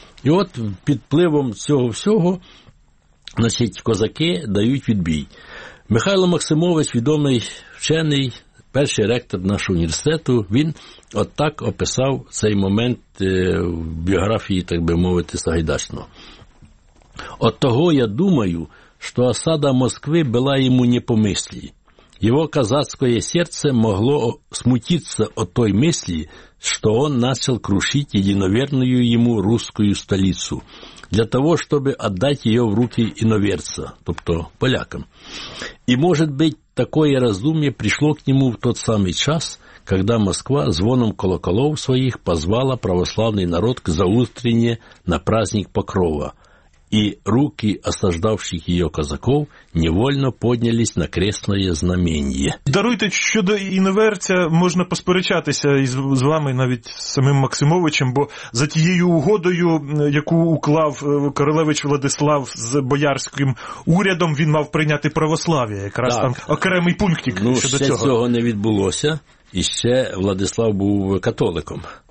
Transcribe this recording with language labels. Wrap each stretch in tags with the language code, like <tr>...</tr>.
<uk>І от під впливом цього всього, значить, козаки дають відбій. Михайло Максимович, відомий вчений, перший ректор нашого університету, він от так описав цей момент в біографії, так би мовити, Сагайдачного.</uk> <ru>От того я думаю, что осада Москвы была ему не по мысли. Его казацкое сердце могло смутиться от той мысли, что он начал крушить единоверную ему русскую столицу для того, чтобы отдать ее в руки иноверца, то есть полякам. И, может быть, такое раздумье пришло к нему в тот самый час, когда Москва звоном колоколов своих позвала православный народ к заустрине на праздник Покрова, и руки осаждавших ее казаков невольно поднялись на крестное знамение.</ru> <uk>Даруйте, щодо іноверця можна посперечатися із з вами навіть з самим Максимовичем, бо за тією угодою, яку уклав королевич Владислав з боярським урядом, він мав прийняти православ'я, якраз так. Там окремий пунктик щодо цього. Ну, ще цього не відбулося, і ще Владислав був католиком.</uk>